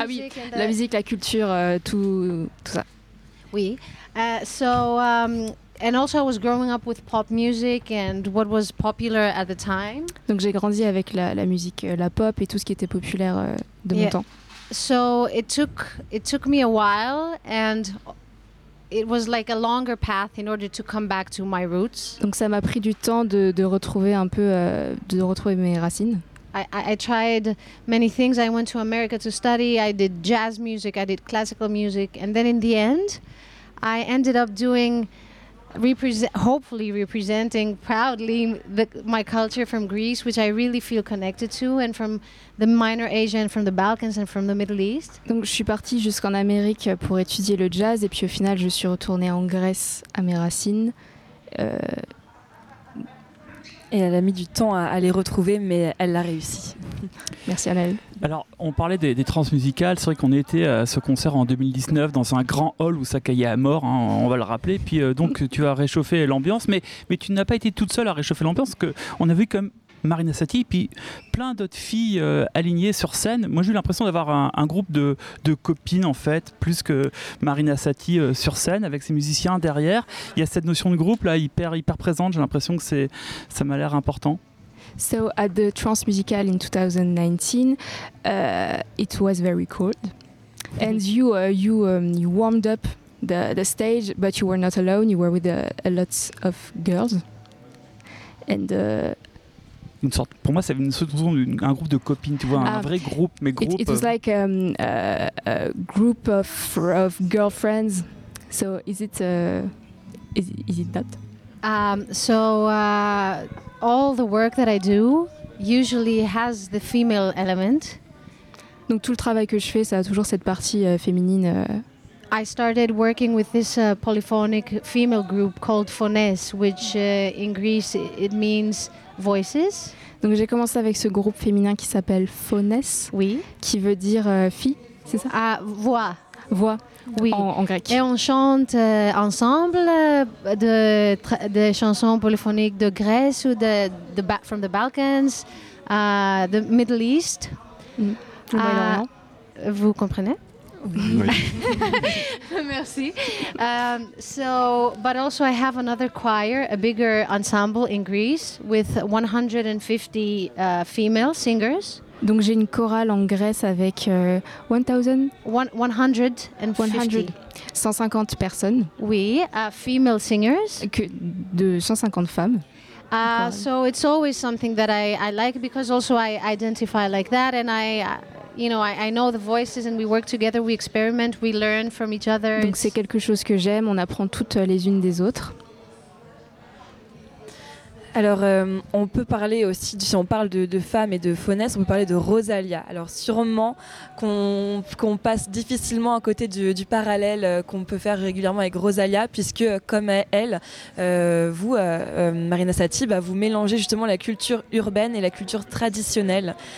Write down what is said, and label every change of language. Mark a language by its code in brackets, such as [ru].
[fr] Ah oui, la musique, la culture, tout ça. Oui. [en] And also I was growing up with pop music and what was popular at the time. [fr] Donc j'ai grandi avec la musique, la pop et tout ce qui était populaire de mon temps. [en] So it took me a while and it was like a longer path in order to come back to my roots. [fr] Donc ça m'a pris du temps de retrouver un peu de retrouver mes racines. [en] I tried many things. I went to America to study. I did jazz music, I did classical music, and then in the end I ended up doing hopefully representing proudly my culture from Greece, which I really feel connected to, and from the minor Asia and from the Balkans and from the Middle East. [fr] Donc je suis partie jusqu'en Amérique pour étudier le jazz et puis au final je suis retournée en Grèce à mes racines. Et elle a mis du temps à les retrouver, mais elle l'a réussi. Merci à elle. Alors, on parlait des trans musicales. C'est vrai qu'on était à ce concert en 2019 dans un grand hall où ça caillait à mort, hein, on va le rappeler. Puis donc, tu as réchauffé l'ambiance, mais tu n'as pas été toute seule à réchauffer l'ambiance. Parce qu'on a vu comme Marina Sati, puis plein d'autres filles alignées sur scène. Moi, j'ai eu l'impression d'avoir un groupe de copines, en fait, plus que Marina Sati sur scène, avec ses musiciens derrière. Il y a cette notion de groupe, là, hyper, hyper présente. J'ai l'impression que ça m'a l'air important. [en] So, at the Trans Musical in 2019, it was very cold. And you warmed up the stage, but you were not alone. You were with a lot of girls. And... [fr] Une sorte, pour moi, c'est une sorte d'un groupe de copines, tu vois, un vrai groupe, mais groupe. [en] It was like a group of girlfriends. So is it that? All the work that I do usually has the female element. [fr] Donc tout le travail que je fais, ça a toujours cette partie féminine. [en] I started working with this polyphonic female group called Phones, which in Greece it means voices. [fr] Donc j'ai commencé avec ce groupe féminin qui s'appelle Phones, oui, qui veut dire fille, c'est ça? Ah, voix. Voix, oui. En grec. Et on chante ensemble de chansons polyphoniques de Grèce ou [en] from the Balkans, the Middle East. [fr] Mm. Vous comprenez? Oui. Merci. [en] But also I have another choir, a bigger ensemble in Greece with 150 female singers. [fr] Donc j'ai une chorale en Grèce avec 150 personnes. [en] Oui, female singers. [fr] De 150 femmes. [en] So it's always something that I like because also I identify like that and I know the voices and we work together, we experiment, we learn from each other. [fr] Donc c'est quelque chose que j'aime, on apprend toutes les unes des autres. Alors on peut parler aussi, si on parle de femmes et de Phones, on peut parler de Rosalia. Alors sûrement qu'on passe difficilement à côté du parallèle qu'on peut faire régulièrement avec Rosalia, puisque comme elle, Marina Sati, vous mélangez justement la culture urbaine et la culture traditionnelle.